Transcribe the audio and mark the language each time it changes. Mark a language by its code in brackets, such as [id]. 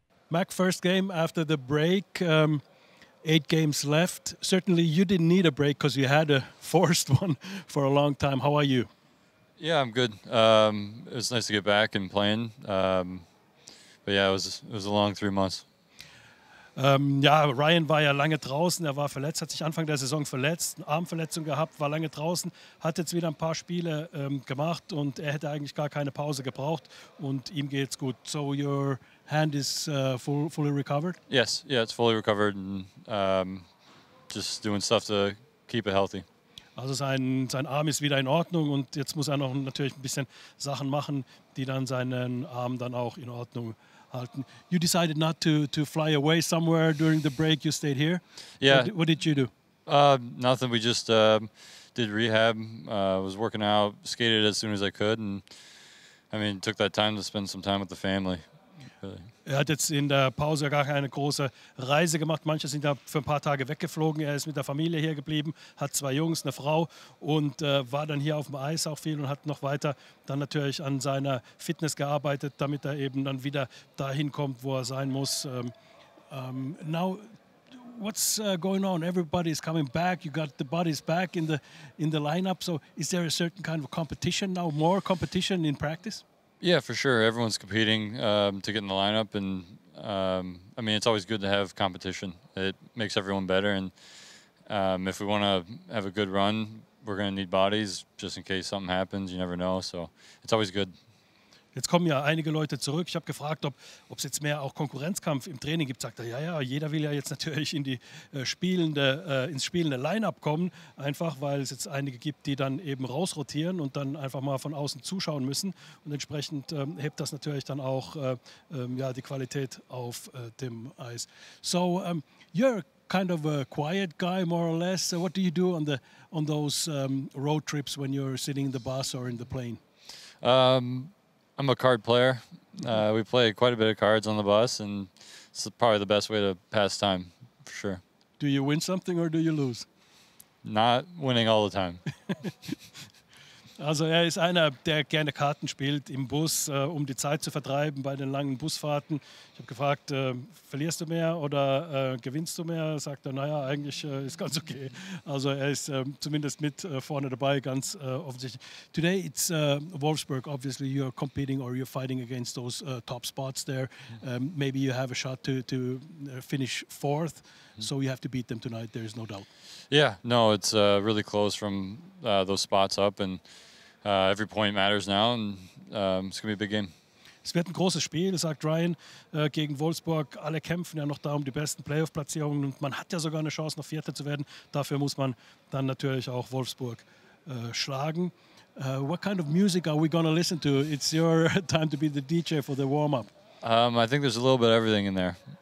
[en] Mac, first game after the break, 8 games left. Certainly you didn't need a break because you had a forced one for a long time. How are you? Yeah, I'm good. It was nice to get back and playing. But yeah, it was a long 3 months. [de] Ja, Ryan war ja lange draußen, er war verletzt, hat sich Anfang der Saison verletzt, Armverletzung gehabt, war lange draußen, hat jetzt wieder ein paar Spiele gemacht und er hätte eigentlich gar keine Pause gebraucht und ihm geht's gut. [en] So your hand is fully recovered? Yes, yeah, it's fully recovered and just doing stuff to keep it healthy. [de] Also sein Arm ist wieder in Ordnung und jetzt muss er noch natürlich ein bisschen Sachen machen, die dann seinen Arm dann auch in Ordnung halten. [en] You decided not to fly away somewhere during the break. You stayed here. Yeah. What did you do? Nothing. We just did rehab. Was working out. Skated as soon as I could. And I mean, took that time to spend some time with the family. [de] Er hat jetzt in der Pause gar keine große Reise gemacht. Manche sind da für ein paar Tage weggeflogen. Er ist mit der Familie hier geblieben, hat zwei Jungs, eine Frau und war dann hier auf dem Eis auch viel und hat noch weiter dann natürlich an seiner Fitness gearbeitet, damit er eben dann wieder dahin kommt, wo er sein muss. [en] Now, what's going on? Everybody is coming back. You got the bodies back in the lineup. So is there a certain kind of competition now? More competition in practice? Yeah, for sure. Everyone's competing to get in the lineup, and I mean, it's always good to have competition. It makes everyone better, and if we want to have a good run, we're going to need bodies just in case something happens. You never know, so it's always good. [de] Jetzt kommen ja einige Leute zurück. Ich habe gefragt, ob es jetzt mehr auch Konkurrenzkampf im Training gibt. Sagt er, ja, ja, jeder will ja jetzt natürlich in die ins spielende Line-Up kommen, einfach weil es jetzt einige gibt, die dann eben rausrotieren und dann einfach mal von außen zuschauen müssen. Und entsprechend hebt das natürlich dann auch die Qualität auf dem Eis. [en] So, Jörg, kind of a quiet guy, more or less. So what do you do on those road trips when you're sitting in the bus or in the plane? I'm a card player. We play quite a bit of cards on the bus, and it's probably the best way to pass time, for sure. Do you win something or do you lose? Not winning all the time. [de] Also er ist einer, der gerne Karten spielt im Bus, um die Zeit zu vertreiben bei den langen Busfahrten. Ich habe gefragt, verlierst du mehr oder gewinnst du mehr? Sagt er, naja, eigentlich ist ganz okay. Also er ist zumindest mit vorne dabei, ganz offensichtlich. [en] Today it's Wolfsburg. Obviously you're competing or you're fighting against those top spots there. Maybe you have a shot to finish fourth. So you have to beat them tonight, there is no doubt. Yeah, no, it's really close from those spots up, and every point matters now, and it's going to be a big game. [de] Es wird ein großes Spiel, sagt Ryan, gegen Wolfsburg. Alle kämpfen ja noch da um die besten Playoff-Platzierungen und man hat ja sogar eine Chance, noch Vierter zu werden. Dafür muss man dann natürlich auch Wolfsburg schlagen. [en] What kind of music are we going to listen to? It's your time to be the DJ for the warm-up. I think there's a little bit of everything in there.